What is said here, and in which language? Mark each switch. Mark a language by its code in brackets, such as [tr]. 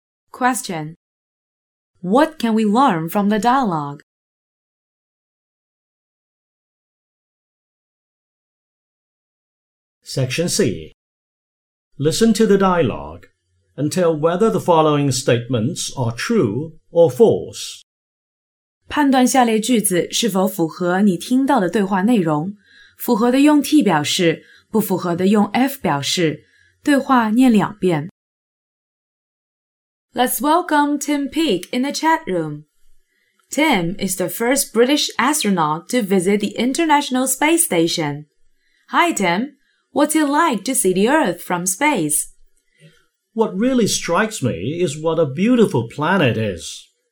[en] Question. What can we learn from the dialogue? 6. Listen to the dialogue and tell whether the following statements are true or false. [zh] 判断下列句子是否符合你听到的对话内容。符合的用 T 表示，不符合的用 F 表示。对话念两遍。 [en] Let's welcome Tim Peake in the chat room. Tim is the first British astronaut to visit the International Space Station. Hi, Tim. What's it like to see the Earth from space? What really strikes me is what a beautiful planet is.